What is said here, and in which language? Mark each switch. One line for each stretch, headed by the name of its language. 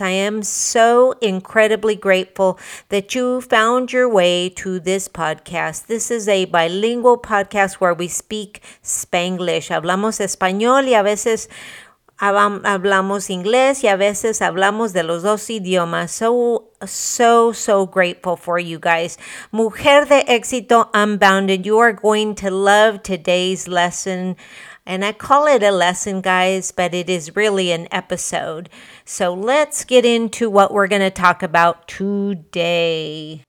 English: I am so incredibly grateful that you found your way to this podcast. This is a bilingual podcast where we speak Spanglish.
Spanish: Hablamos español y a veces hablamos inglés y a veces hablamos de los dos idiomas.
English: So grateful for you guys. Mujer de Éxito Unbounded, you are going to love today's lesson. And I call it a lesson, guys, but it is really an episode. So let's get into what we're going to talk about today.